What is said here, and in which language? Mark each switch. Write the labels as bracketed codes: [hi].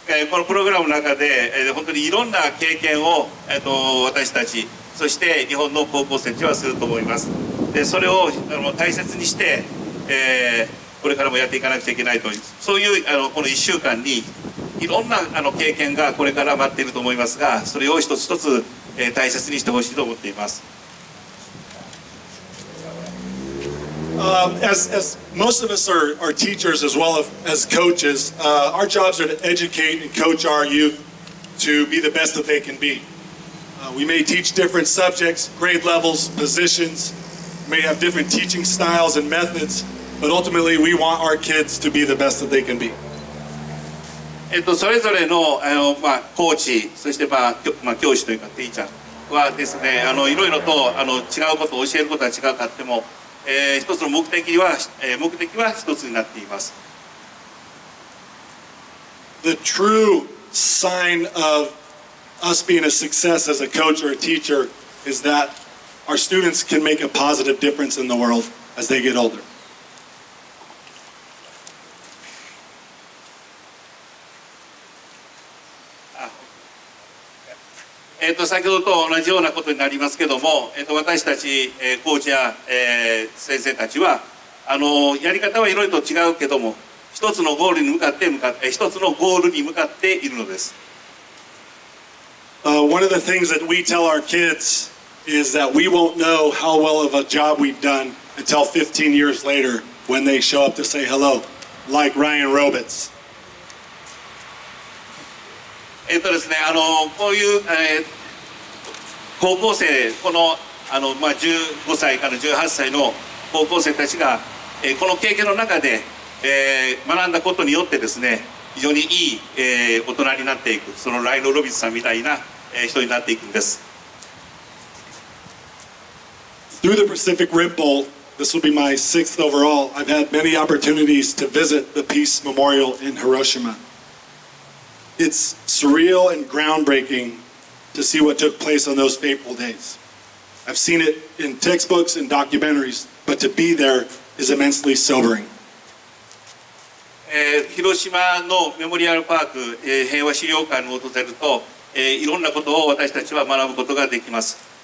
[ja] このプログラムの中で本当にいろんな経験を私たちそして日本の高校生たちはすると思います。でそれを大切にしてこれからもやっていかなくちゃいけないというそういうこの1週間にいろんな経験がこれから待っていると思いますがそれを一つ一つ大切にしてほしいと思っています。 [en] As most of us are teachers as well as coaches, our jobs are to educate and coach our youth to be the best that they can be. We may teach different subjects, grade levels, positions, may have different teaching styles and methods, but ultimately we want our kids to be the best that they can be. [ja] それぞれの、コーチ、そして、教師というかティーチャーはですね、いろいろと違うことを教えることは違うかっても、一つの目的は一つになっています。 [en] The true sign of us being a success as a coach or a teacher is that our students can make a positive difference in the world as they get older. [ja] あ、先ほどと同じようなことになりますけども、私たち、コーチや、先生たちはやり方はいろいろと違うけども一つのゴールに向かって一つのゴールに向かっているのです。 [en] One of the things that we tell our kids is that we won't know how well of a job we've done until 15 years later when they show up to say hello, like Ryan Robitz. [ja] ですね、こういう、高校生この、15歳から18歳の高校生たちが、この経験の中で、学んだことによってですね非常にいい、大人になっていくそのライノ・ロビスさんみたいな、人になっていくんです。 [en] Through the Pacific Rim Bowl, this will be my sixth overall. I've had many opportunities to visit the Peace Memorial in Hiroshima. It's surreal and groundbreaking to see what took place on those fateful days. I've seen it in textbooks and documentaries, but to be there is immensely sobering. [ja] 広島のメモリアルパーク、平和資料館を訪れると、いろんなことを私たちは学ぶことができます。